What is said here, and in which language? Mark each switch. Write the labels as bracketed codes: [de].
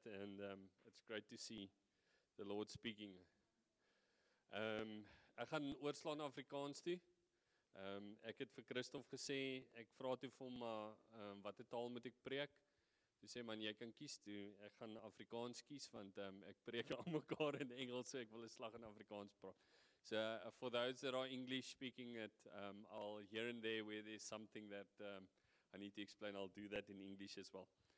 [en] And it's great to see the Lord speaking. [af] Ek gaan oorslaan Afrikaans toe. Ek het vir Christof gesê, ek vra toe vir hom, watter taal moet ek preek? Toe sê, man, jy kan kies toe. Ek gaan Afrikaans kies, want ek preek aan mekaar in Engels, so ek wil 'n slag in Afrikaans praat. [en] So, for those that are English speaking it, I'll here and there where there's something that I need to explain, I'll do that in English as well.